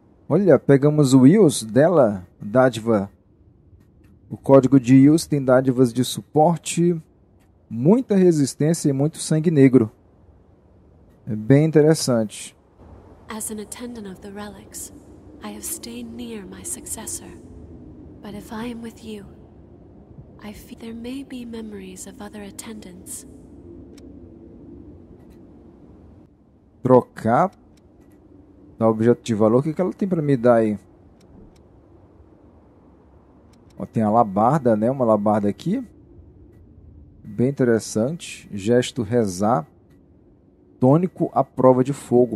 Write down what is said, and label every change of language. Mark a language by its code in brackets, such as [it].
[pt] Olha, pegamos o Wills dela, dádiva. O código de Wills tem dádivas de suporte, muita resistência e muito sangue negro. É bem interessante. [en] As an attendant of the relics, I have stayed near my successor. But if I am with you, I fear there may be memories of other attendants. [pt] Trocar. Dá objeto de valor. O que ela tem para me dar aí? Ó, tem a alabarda, né? Uma alabarda aqui. Bem interessante. Gesto rezar. Tônico à prova de fogo.